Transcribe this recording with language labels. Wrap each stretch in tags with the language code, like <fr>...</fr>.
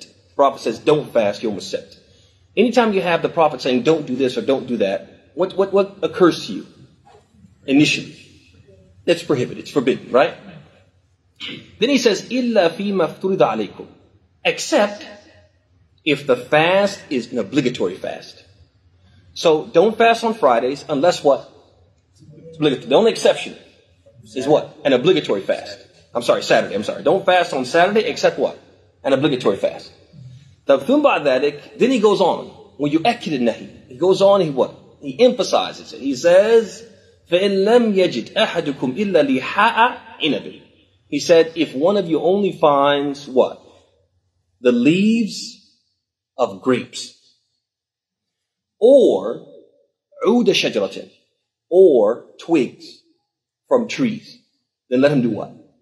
<en>The Prophet says, don't fast Yom Sept. Anytime you have the Prophet saying, don't do this or don't do that, what occurs to you initially? It's prohibited, it's forbidden, right?</en> <ar>Then he says, إِلَّا فِيمَا افْتُرِضَ عَلَيْكُمْ.</ar> <en>Except if the fast is an obligatory fast. So don't fast on Fridays unless what? It's obligatory. The only exception is what? An obligatory fast. Saturday. Don't fast on Saturday except what? An obligatory fast. Then he goes on. When you akid nahi, he goes on, he what? He emphasizes it. He says,</en> <ar>فَإِن لَمْ يَجِدْ أَحَدُكُمْ إِلَّا لِحَاءَ عِنَبٍ.</ar> <en>He said, if one of you only finds what? The leaves of grapes. Or</en> <ar>عُودَ شَجْرَةٍ.</ar> <en>Or twigs from trees. Then let him do what?</en>